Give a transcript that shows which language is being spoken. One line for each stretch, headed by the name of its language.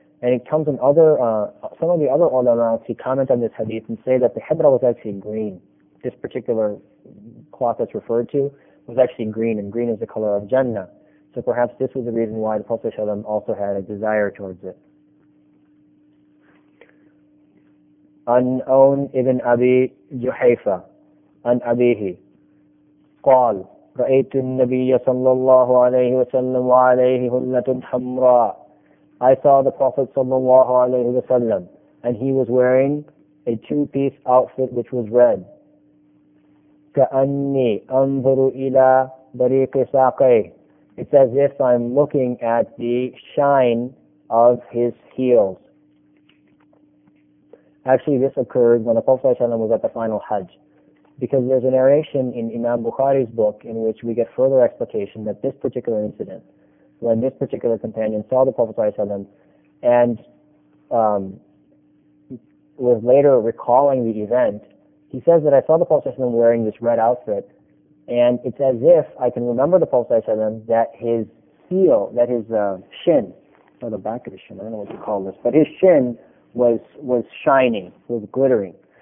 English: And it comes in other, some of the other ulama actually comment on this hadith and say that the hibra was actually green. This particular cloth that's referred to was actually green, and green is the color of Jannah. So perhaps this was the reason why the Prophet ﷺ also had a desire towards it.
Arabic: An-Aun ibn Abi Juhayfa, An-Abihi, قال رأيت النبي صلى الله عليه وسلم وعليه هلة حمراء.
English: I saw the Prophet
Arabic: صلى الله عليه وسلم
English: and he was wearing a two-piece outfit which was red.
Arabic: كأني أنظر إلى بريق ساقيه.
English: It's as if I'm looking at the shine of his heels. Actually, this occurred when the Prophet ﷺ was at the final Hajj. Because there's a narration in Imam Bukhari's book in which we get further explication that this particular incident, when this particular companion saw the Prophet ﷺ and was later recalling the event, he says that I saw the Prophet ﷺ wearing this red outfit, and it's as if I can remember the Prophet ﷺ that his heel, that his shin, or the back of his shin, I don't know what you call this, but his shin was shining, was glittering.